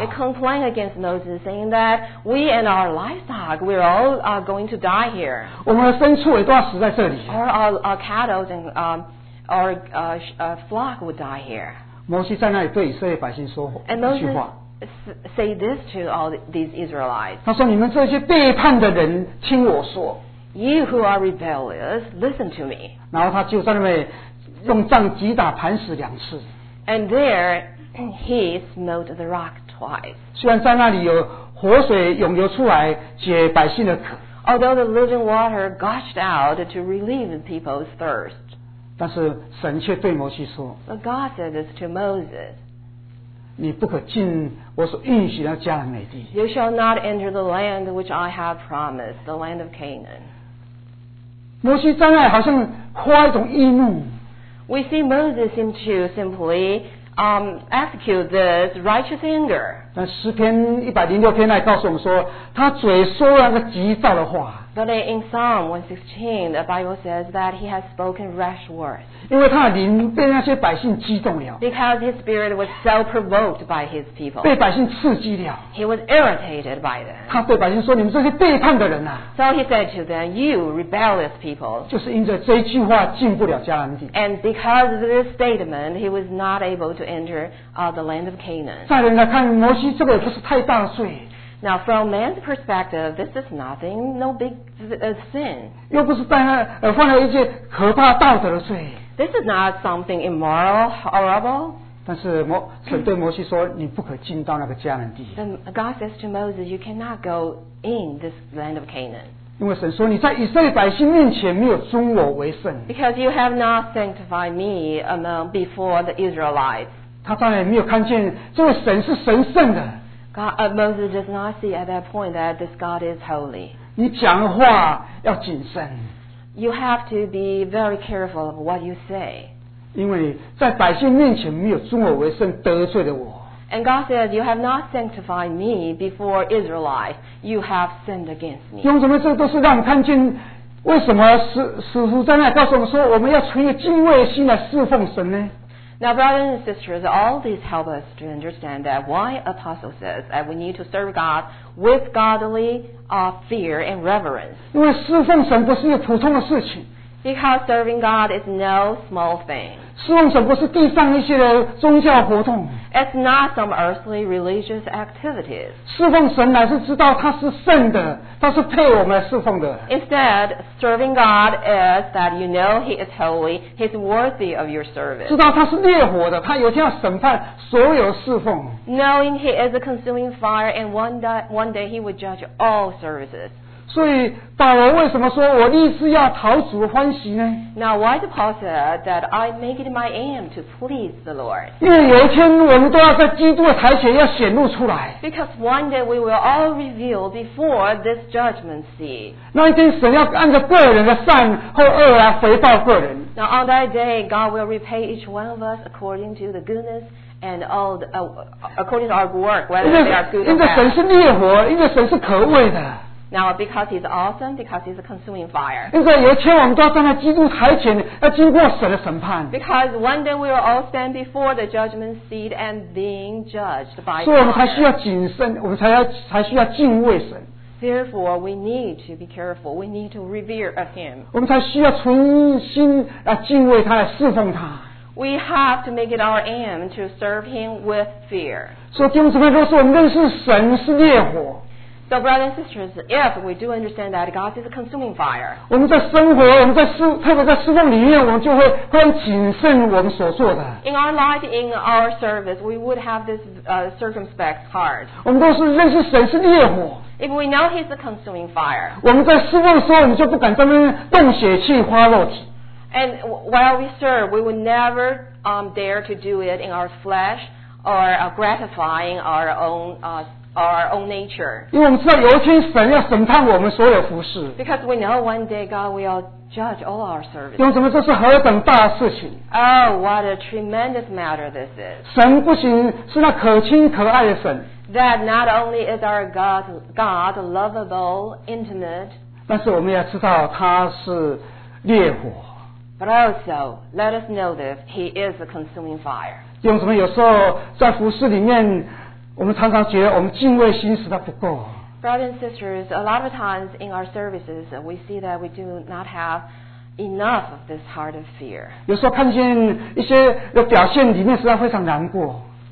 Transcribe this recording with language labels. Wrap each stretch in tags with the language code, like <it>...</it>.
<en>They complain against Moses, saying that we and our livestock, we're all going to die here.</en> <zh>我们的牲畜也都要死在这里。</zh> <en>Or our cattle and our flock would die here.</en> <zh>摩西在那里对以色列百姓说一句话</zh> <en>And Moses say this to all these Israelites.</en> <zh>他说你们这些背叛的人听我说</zh> <en>You who are rebellious, listen to me.</en> <zh>然后他就在那里用杖击打磐石两次</zh> <en>And there he smote the rock twice.</en> <zh>虽然在那里有活水涌流出来解百姓的渴</zh> <en>Although the living water gushed out to relieve the people's thirst.</en> <zh>但是神却对摩西说</zh> <en>But God said this to Moses</en> <zh>你不可进我所应许的迦南美地</zh> <en>You shall not enter the land which I have promised The land of Canaan</en> <zh>摩西站在好像发一种义怒</zh> <en>We see Moses seem to simply execute this righteous anger</en> <zh>但诗篇106篇来告诉我们说他嘴说了个急躁的话</zh> <en>But in Psalm 116, the Bible says that he has spoken rash words.</en> <zh>因为他的灵被那些百姓激动了。</zh> <en>Because his spirit was so provoked by his people.</en> <zh>被百姓刺激了。</zh> <en>He was irritated by them.</en> <zh>他对百姓说：“你们这些背叛的人啊！”</zh> <en>So he said to them, "You rebellious people."</en> <zh>就是因着这句话进不了迦南地。</zh> <en>And because of this statement, he was not able to enter the land of Canaan.</en> <zh>在人来看，摩西这个也不是太大的罪。</zh> <en>Now, from man's perspective, this is nothing, no big sin.</en> <zh>又不是带他犯了一些可怕道德的罪。</zh> <en>This is not something immoral, horrible.</en> <zh>但是神对摩西说，你不可进到那个迦南地。</zh> <en>Then God says to Moses, "You cannot go in this land of Canaan."</en> <zh>因为神说，你在以色列百姓面前没有尊我为圣。</zh> <en>Because you have not sanctified me before the Israelites.</en> <zh>他当然没有看见这位神是神圣的。</zh> <en>Moses does not see at that point that this God is holy.</en> <zh>你讲话要谨慎。</zh> <en>You have to be very careful of what you say.</en> <zh>因为在百姓面前没有尊我为圣，得罪了我。</zh> <en>And God says, "You have not sanctified me before Israelites. You have sinned against me."</en> <zh>用什么？这都是让我们看见为什么使徒在那告诉我们说，我们要存一个敬畏的心来侍奉神呢？</zh> <en>Now, brothers and sisters, all these help us to understand that why Apostle says that we need to serve God with godly fear and reverence.</en> <zh>因为侍奉神不是一个普通的事情。</zh> <en>Because serving God is no small thing.</en> <zh>侍奉神不是地上一些的宗教活动。</zh> <en>It's not some earthly religious activities.</en> <zh>侍奉神乃是知道他是圣的，他是配我们来侍奉的。</zh> <en>Instead, serving God is that you know He is holy, He's worthy of your service.</en> <zh>知道他是烈火的，他有一天要审判所有侍奉。</zh> <en>Knowing He is a consuming fire, and one day He will judge all services.</en> <zh>所以保罗为什么说我立志要讨主欢喜呢？</zh> <en>Now why did Paul say that I make it my aim to please the Lord?</en> <zh>因为有一天我们都要在基督的台前要显露出来。</zh> <en>Because one day we will all reveal before this judgment seat.</en> <zh>那一天神要按照个人的善或恶来回报个人。</zh> <en>Now on that day, God will repay each one of us according to the goodness and all the, according to our work, whether they are good or bad.</en> <zh>因为神是烈火，因为神是可畏的。</zh> <en>Now, because he's awesome, because he's a consuming fire.</en> <zh>因为有一天我们都要站在基督台前，要经过神的审判。</zh> <en>Because one day we will all stand before the judgment seat and being judged by God.</en> <zh>所以我们才需要谨慎，我们才需要敬畏神。</zh> <en>Therefore, we need to be careful. We need to revere of him.</en> <zh>我们才需要存心来敬畏他，来侍奉他。</zh> <en>We have to make it our aim to serve him with fear.</en> <zh>所以弟兄姊妹，若是我们认识神是烈火。</zh> <en>So, brothers and sisters, if we do understand that God is a consuming fire,</en> <zh>我们在生活，我们在侍，特别在侍奉里面，我们就会很谨慎我们所做的。</zh> <en>In our life, in our service, we would have this circumspect heart.</en> <zh>我们都是认识神是烈火。</zh> <en>If we know He's a consuming fire,</en> <zh>我们在侍奉的时候，我们就不敢在那边动血气花肉体。</zh> <en>And while we serve, we would never dare to do it in our flesh or gratifying our own. Our own nature.</en> <zh>因为我们知道有一天神要审判我们所有服事。</zh> <en>Because we know one day God will judge all our service.</en> <zh>用什么？这是何等大事情</zh> <en>！Oh, what a tremendous matter this is!</en> <zh>神不仅是那可亲可爱的神。</zh> <en>That not only is our God lovable, intimate.</en> <zh>但是我们要知道他是烈火。</zh> <en>But also, let us know this: He is a consuming fire.</en> <zh>用什么？有时候在服事里面。我们常常觉得我们敬畏心实在不够。</zh> <en>Brothers and sisters, a lot of times in our services, we see that we do not have enough of this heart of fear.</en> <zh>有时候看见一些的表现，里面实在非常难过。</zh>